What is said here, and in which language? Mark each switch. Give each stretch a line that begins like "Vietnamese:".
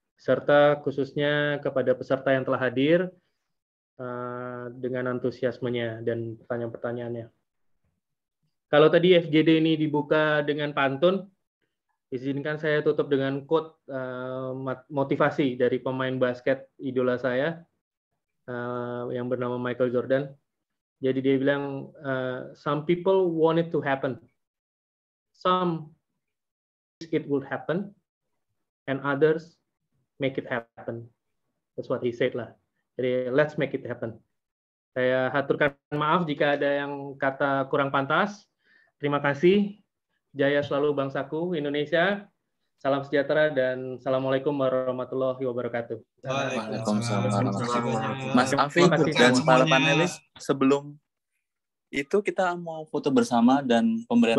Indonesian: Serta khususnya kepada peserta yang telah hadir dengan antusiasmenya dan pertanyaan-pertanyaannya. Kalau tadi FGD ini dibuka dengan pantun, izinkan saya tutup dengan quote motivasi dari pemain basket idola saya yang bernama Michael Jordan. Jadi dia bilang,
English: some people want it to happen, some wish it would happen, and others make it happen. That's what he said
Indonesian: lah. Jadi,
English: let's make it happen.
Indonesian: Saya haturkan maaf jika ada yang kata kurang pantas. Terima kasih. Jaya selalu bangsaku, Indonesia. Salam sejahtera dan assalamualaikum warahmatullahi wabarakatuh. Waalaikumsalam. Mas Afi dan para panelis, sebelum itu kita mau foto bersama dan pemberian